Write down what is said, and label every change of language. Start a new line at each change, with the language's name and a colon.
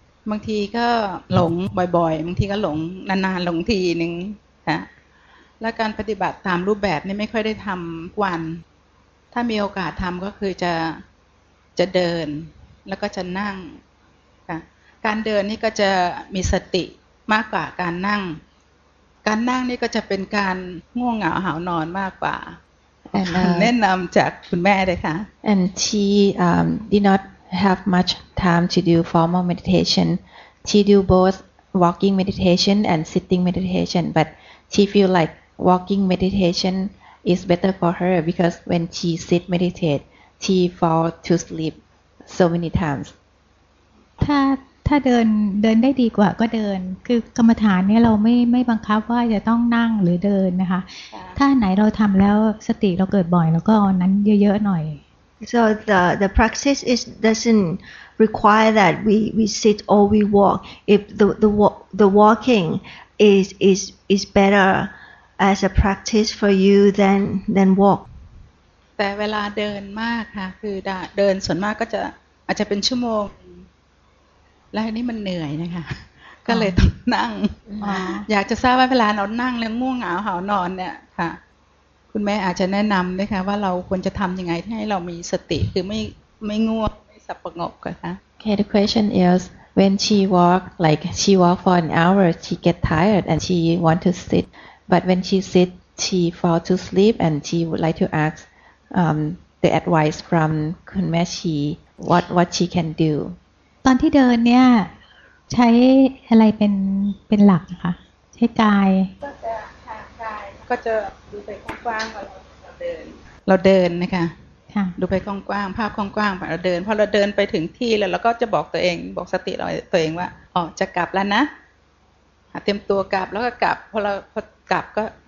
Thai: บางทีก็หลงบ่อยๆบางทีก็หลงนานๆหลงทีนึงฮะแล้วการปฏิบัติตามรูปแบบนี่ไม่ค่อยได้ทำวันถ้ามีโอกาสทำก็คือจะเดินแล้วก็จะนั่งการเดินนี่ก็จะมีสติมากกว่าการนั่งการนั่งนี่ก็จะเป็นการง่วงเหงาหาวนอนมากกว่าแนะนำจากคุณแม่เลยค่ะ
English: and she did notHave much time to do formal meditation. She do both walking meditation and sitting meditation, but she feel like walking meditation is better for her because when she sit meditate, she fall to sleep so many times.
Thai: ถ้าเดินได้ดีกว่าก็เดินคือกรรมฐานเนี่ยเราไม่บังคับว่าจะต้องนั่งหรือเดินนะคะถ้าไหนเราทำแล้วสติเราเกิดบ่อยแล้วก็เอานั้นเยอะๆหน่อย
English: So the practice is doesn't require that we sit or we walk. If the walking is better as a practice for you than walk.
Thai: แต่เวลาเดินมากค่ะคือเดินส่วนมากก็จะอาจจะเป็นชั่วโมงและนี่มันเหนื่อยนะคะก็เลยต้องนั่งอยากจะทราบว่าเวลาเรานั่งแล้วง่วงเหงาหานอนเนี่ยค่ะคุณแม่อาจจะแนะนำนะคะว่าเราควรจะทำยังไงให้เรามีสติคือไม่ง่วงไม่สงบกันนะ
English: Okay, the question is when she walk like she walk for an hour she get tired and she want to sit but when she sit she fall to sleep and she would like to ask the advice from คุณแม่ชี what she can do
Thai: ตอนที่เดินเนี่ยใช้อะไรเป็นหลักนะคะใช้กาย ก็จะดูไปกว้างๆเราเดินนะคะ ค่ะ ดูไปกว้างๆภาพกว้างๆเราเดินพอเราเดินไปถึงที่แล้วเราก็จะบอกตัวเองบอกสติเราตัวเองว่าอ๋อจะกลับแล้วนะเตรียมตัวกลับแล้วก็กลับพอกลับก็